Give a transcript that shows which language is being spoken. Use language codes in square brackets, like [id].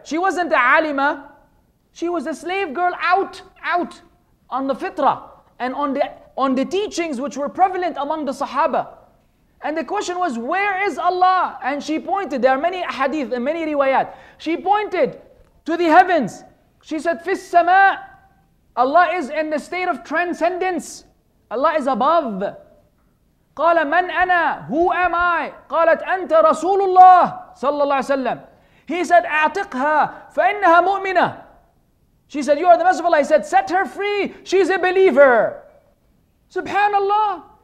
[en] She wasn't a alima. She was a slave girl out on the fitrah and on the teachings which were prevalent among the Sahaba. And the question was, where is Allah? And she pointed, there are many hadith and many riwayat. She pointed to the heavens. She said, "Fis sama." Allah is in the state of transcendence. Allah is above. [ar] قال من أنا? [en] Who am I? [ar] قالت أنت رسول الله صلى الله عليه وسلم. [en] He said, [ar] أعتقها فإنها مؤمنة. [en] She said, "You are the Messenger of Allah." He said, "Set her free. She's a believer." Subhanallah.